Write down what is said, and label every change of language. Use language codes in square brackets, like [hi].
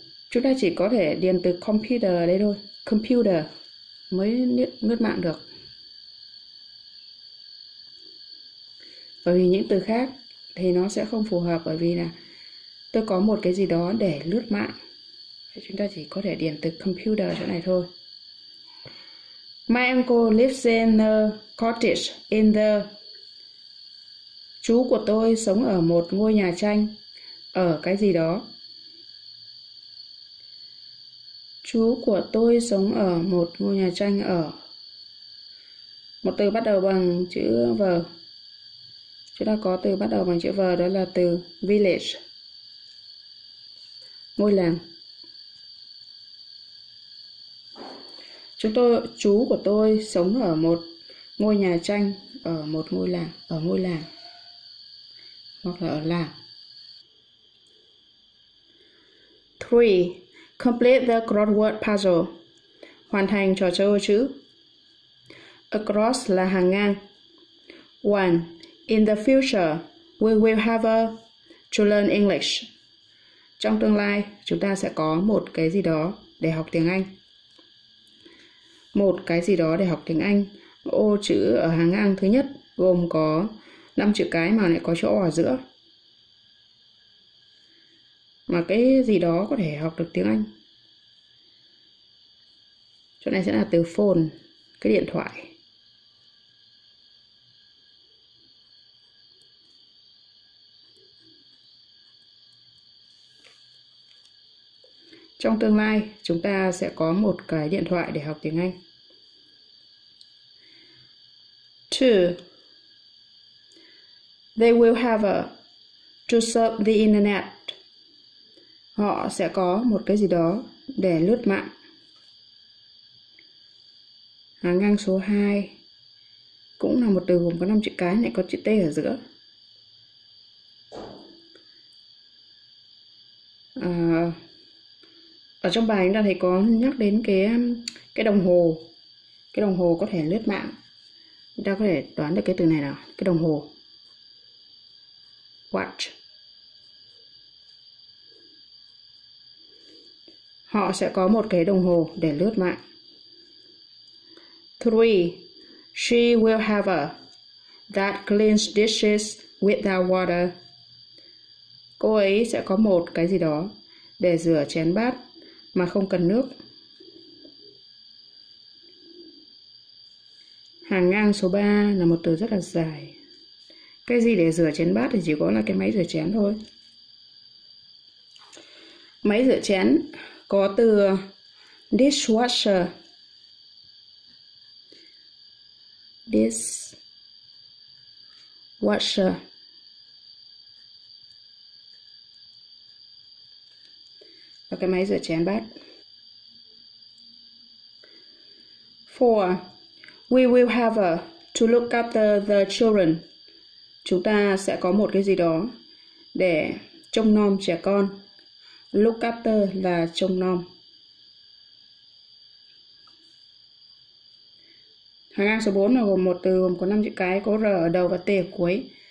[vi] Chúng ta chỉ có thể điền từ computer ở đây thôi. Computer mới lướt mạng được. Bởi vì những từ khác thì nó sẽ không phù hợp, bởi vì là tôi có một cái gì đó để lướt mạng. Chúng ta chỉ có thể điền từ computer chỗ này thôi. [en] My uncle lives in a cottage in the... [vi] Chú của tôi sống ở một ngôi nhà tranh ở cái gì đó. Chú của tôi sống ở một ngôi nhà tranh ở. Một từ bắt đầu bằng chữ V. Chúng ta có từ bắt đầu bằng chữ V, đó là từ village, ngôi làng. Chú của tôi sống ở một ngôi nhà tranh ở một ngôi làng, ở ngôi làng hoặc là ở làng. [en] Three, complete the crossword puzzle. [vi] Hoàn thành trò chơi ô chữ. Across là hàng ngang. [en] One, in the future, we will have to learn English. [vi] Trong tương lai, chúng ta sẽ có một cái gì đó để học tiếng Anh. Một cái gì đó để học tiếng Anh. Ô chữ ở hàng ngang thứ nhất gồm có 5 chữ cái mà lại có chỗ ở giữa. Mà cái gì đó có thể học được tiếng Anh. Chỗ này sẽ là từ phone, cái điện thoại. Trong tương lai, chúng ta sẽ có một cái điện thoại để học tiếng Anh. [en] Two, they will have to surf the internet. [vi] Họ sẽ có một cái gì đó để lướt mạng. Hàng ngang số 2 cũng là một từ gồm có 5 chữ cái, lại có chữ T ở giữa. Ở trong bài chúng ta thấy có nhắc đến cái đồng hồ. Cái đồng hồ có thể lướt mạng. Chúng ta có thể đoán được cái từ này nào. Cái đồng hồ. Watch. Họ sẽ có một cái đồng hồ để lướt mạng. [en] Three, she will have a that cleans dishes without water. [vi] Cô ấy sẽ có một cái gì đó để rửa chén bát mà không cần nước. Hàng ngang số 3 là một từ rất là dài. Cái gì để rửa chén bát thì chỉ có là cái máy rửa chén thôi. Máy rửa chén có từ dishwasher. [en] Dishwasher. Washer. [vi] Và cái máy rửa chén bát. [en] Four. We will have a to look after the children. [vi] Chúng ta sẽ có một cái gì đó để trông nom trẻ con. Look after là trông nom. Hàng ngang số 4 là gồm một từ gồm có 5 chữ cái, có R ở đầu và T ở cuối.